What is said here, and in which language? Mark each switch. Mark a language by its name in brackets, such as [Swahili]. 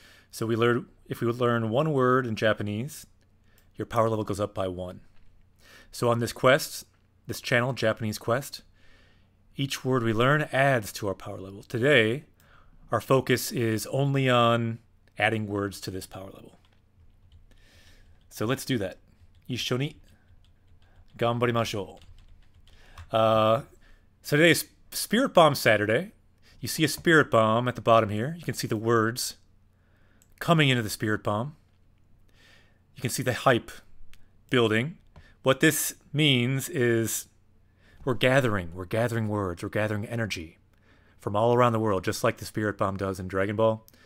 [English] So we learn, if we learn one word in Japanese, your power level goes up by one. So on this quest, this channel, Japanese Quest, each word we learn adds to our power level. Today, our focus is only on adding words to this power level. So let's do that. [Japanese] 一緒に 頑張りましょう. [English] So today is Spirit Bomb Saturday. You see a Spirit Bomb at the bottom here. You can see the words coming into the Spirit Bomb. You can see the hype building. What this means is We're gathering words, we're gathering energy from all around the world, just like the Spirit Bomb does in Dragon Ball.